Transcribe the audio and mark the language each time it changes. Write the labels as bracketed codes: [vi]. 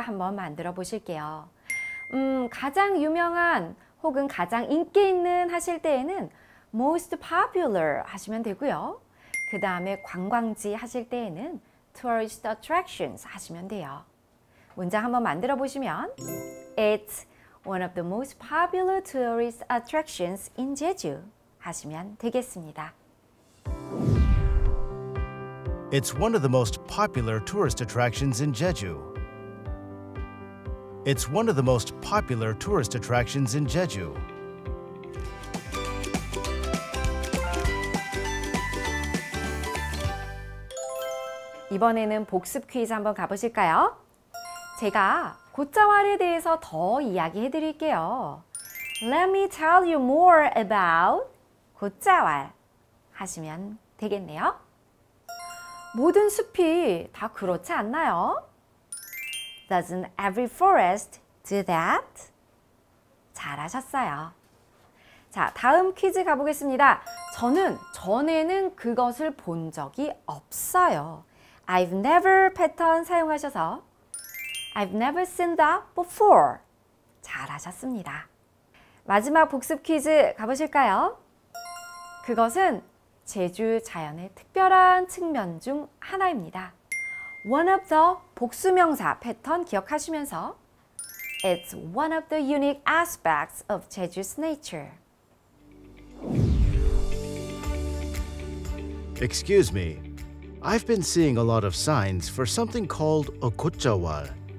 [ko] 한번 만들어 보실게요. 가장 유명한 혹은 가장 인기 있는 하실 때에는 most popular 하시면 되고요. 그 다음에 관광지 하실 때에는 tourist attractions 하시면 돼요. 문장 한번 만들어 보시면 [en] It's one of the most popular tourist attractions in Jeju [ko] 하시면 되겠습니다. [en] It's one of the most popular tourist attractions in Jeju. It's one of the most popular tourist attractions in Jeju. [ko] 이번에는 복습 퀴즈 한번 가보실까요? 제가 고자왈에 대해서 더 이야기해 드릴게요. [en] Let me tell you more about 고자왈 [ko] 하시면 되겠네요. 모든 숲이 다 그렇지 않나요? [en] Doesn't every forest do that? [ko] 잘하셨어요. 자, 다음 퀴즈 가보겠습니다. 저는 전에는 그것을 본 적이 없어요. [en] I've never [ko] 패턴 사용하셔서 [en] I've never seen that before. [ko] 잘하셨습니다. 마지막 복습 퀴즈 가보실까요? 그것은 제주 자연의 특별한 측면 중 하나입니다. [en] One of the [ko] 복수명사 패턴 기억하시면서 [en] It's one of the unique aspects of Jeju's nature. Excuse me. I've been seeing a lot of signs for something called a 고자왈.